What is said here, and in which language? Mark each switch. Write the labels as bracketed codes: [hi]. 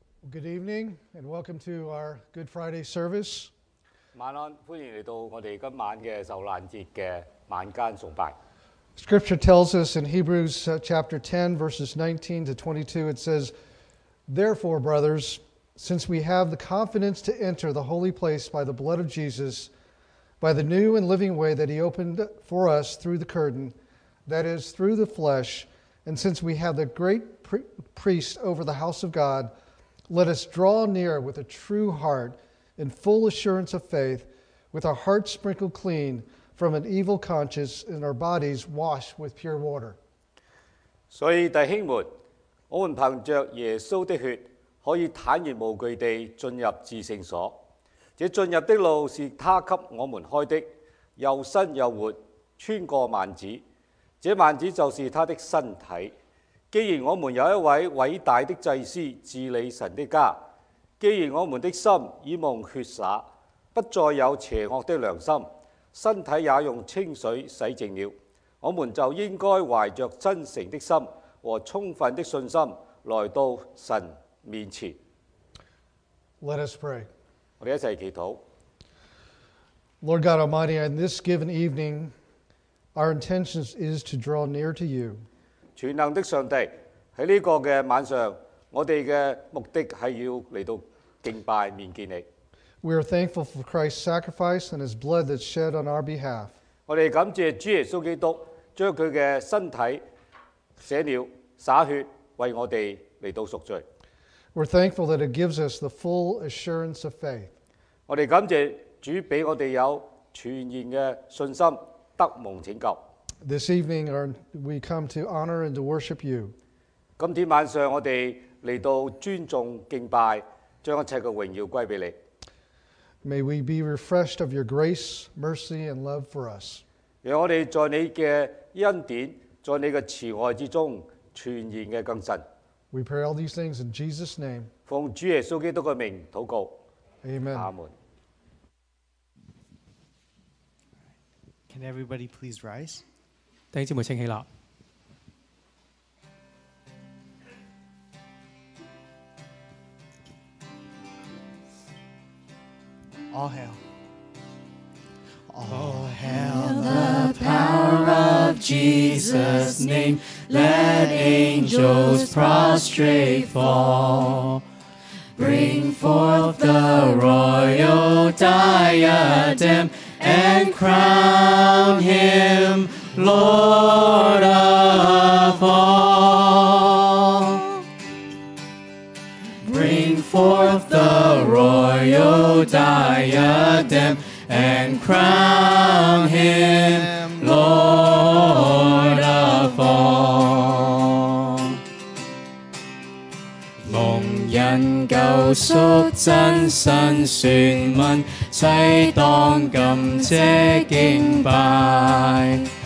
[en] Good evening and welcome to our Good Friday service. [zh] 晚安，欢迎来到我们今晚的受难节的晚间崇拜。 [en] Scripture tells us in Hebrews chapter 10, verses 19 to 22, it says, Therefore, brothers, since we have the confidence to enter the holy place by the blood of Jesus, by the new and living way that he opened for us through the curtain, that is, through the flesh, and since we have the great priest over the house of God, let us draw near with a true heart in full assurance of faith, with our hearts sprinkled clean from an evil conscience and our bodies washed with pure water. [zh] 所以弟兄们，我们凭着耶稣的血可以坦然无惧地进入至圣所。这进入的路是他给我们开的，又新又活，穿过幔子。这幔子就是他的身体。既然我们有一位伟大的祭司治理神的家，既然我们的心已蒙血洒，不再有邪恶的良心，身体也用清水洗净了，我们就应该怀着真诚的心和充分的信心来到神面前。 [en] Let us pray. [zh] 我们一起祈祷。 [en] Lord God Almighty, in this given evening, our intention is to draw near to you. [zh] 全能的上帝，在这个的晚上，我们的目的是要来到敬拜面见你。 [en] We are thankful for Christ's sacrifice and his blood that's shed on our behalf. [zh] 我们感谢主耶稣基督，将他的身体舍了，洒血，为我们来到赎罪。 [en] We're thankful that it gives us the full assurance of faith. [zh] 我们感谢主给我们有全然的信心，得蒙拯救。 [en] This evening, we come to honor and to worship you. [zh] 今天晚上我们来到尊重敬拜，将一切的荣耀归给你。 [en] May we be refreshed of your grace, mercy, and love for us. [zh] 让我们在你的恩典，在你的慈爱之中全然的更新。 [en] We pray all these things in Jesus' name. [zh] 奉主耶稣基督的名祷告。 [en] Amen. Amen. Can everybody please rise? [zh] 弟兄姊妹，请起立。 [en] All hail. All hail the power of Jesus' name. Let angels prostrate fall. Bring forth the royal diadem and crown him. Lord of all, bring forth the royal diadem and crown him Lord of all. [zh] 蒙恩救赎真身选民，齐当感谢敬拜。